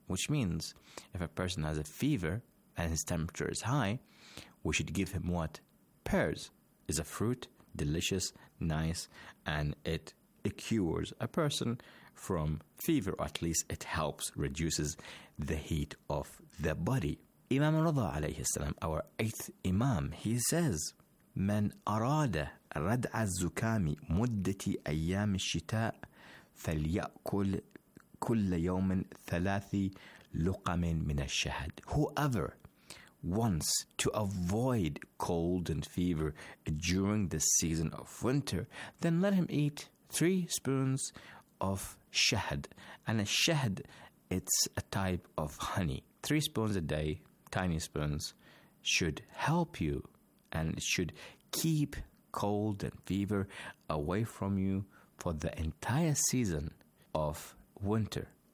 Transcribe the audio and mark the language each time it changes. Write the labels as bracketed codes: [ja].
[en] Which means, if a person has a fever and his temperature is high, we should give him what? pears is a fruit, delicious, nice, and it cures a person from fever, or at least it helps reduces the heat of the body. Imam Rida alayhi salam, our eighth imam, he says, [ar] من أراد ردع الزكام مدة أيام الشتاء فليأكل كل يوم ثلاث لقم من الشهد. [en] Whoever wants to avoid cold and fever during the season of winter, then let him eat 3 spoons of shahad. And a shahad, it's a type of honey. 3 spoons a day, tiny spoons, should help you and should keep cold and fever away from you for the entire season of winter.